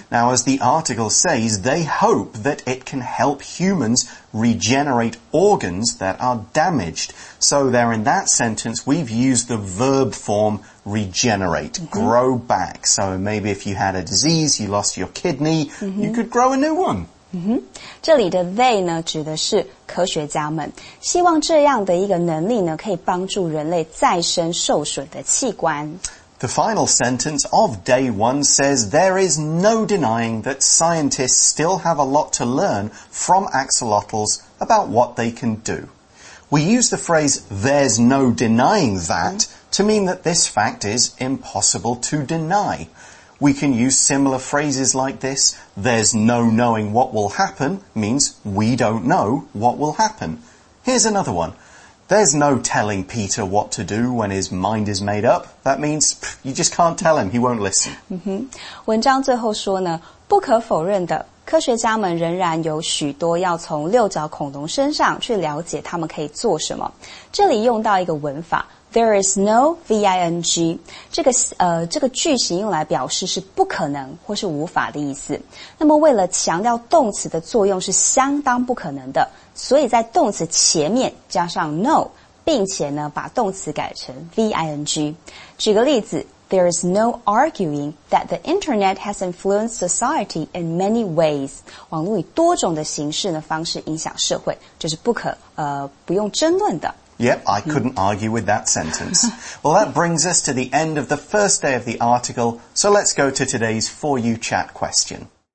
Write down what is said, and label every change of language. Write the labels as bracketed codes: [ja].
[en] Now, as the article says, they hope that it can help humans regenerate organs that are damaged. So there in that sentence, we've used the verb formregenerate, grow back. So maybe if you had a disease, you lost your kidney, you could grow a new one. [zh] 这里的 they 呢指的是科学家们希望这样的一个能力呢可以帮助人类再生受损的器官。 [en] The final sentence of day one says there is no denying that scientists still have a lot to learn from axolotls about what they can do. We use the phrase there's no denying that,to mean that this fact is impossible to deny. We can use similar phrases like this. There's no knowing what will happen means we don't know what will happen. Here's another one. There's no telling Peter what to do when his mind is made up. That means you just can't tell him. He won't listen. [zh] 文章最后说呢，不可否认的，科学家们仍然有许多要从六角恐龙身上去了解他们可以做什么。这里用到一个文法。 [en] There is no V-I-N-G. [zh] 这个句型用来表示是不可能或是无法的意思。那么为了强调动词的作用是相当不可能的，所以在动词前面加上 no, 并且呢把动词改成 V-I-N-G. 举个例子 [en] ,There is no arguing that the internet has influenced society in many ways. [zh] 网络以多种的形式呢方式影响社会，这是不用争论的。 [en] Yep, I couldn't argue with that sentence. Well, that brings us to the end of the first day of the article, so let's go to today's For You Chat question.